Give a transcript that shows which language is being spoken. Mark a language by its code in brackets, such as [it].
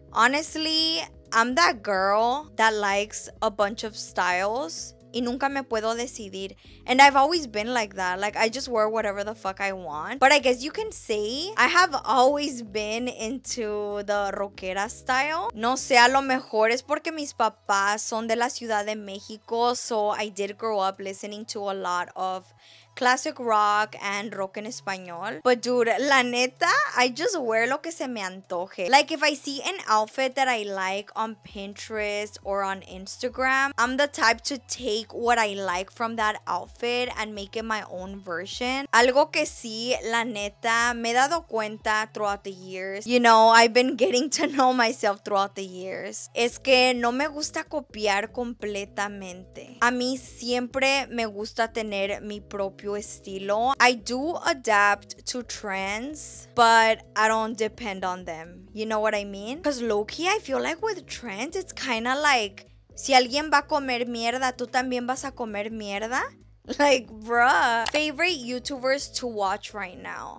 [en] Honestly, I'm that girl that likes a bunch of styles. [es] Y nunca me puedo decidir. [en] And I've always been like that. Like, I just wear whatever the fuck I want. But I guess you can say I have always been into the rockera style. [es] No sé, a lo mejor es porque mis papás son de la Ciudad de México. [en] So I did grow up listening to a lot of classic rock and rock en español. But dude, [es] la neta, [en] I just wear [es] lo que se me antoje. [en] Like if I see an outfit that I like on Pinterest or on Instagram, I'm the type to take what I like from that outfit and make it my own version. [es] Algo que sí, la neta, me he dado cuenta [en] throughout the years. You know, I've been getting to know myself throughout the years. [es] Es que no me gusta copiar completamente. A mí siempre me gusta tener mi propio estilo. [en] I do adapt to trends, but I don't depend on them. You know what I mean? Because low-key, I feel like with trends, it's kind of like, [es] si alguien va a comer mierda, tú también vas a comer mierda. [en] Like, bruh. Favorite YouTubers to watch right now.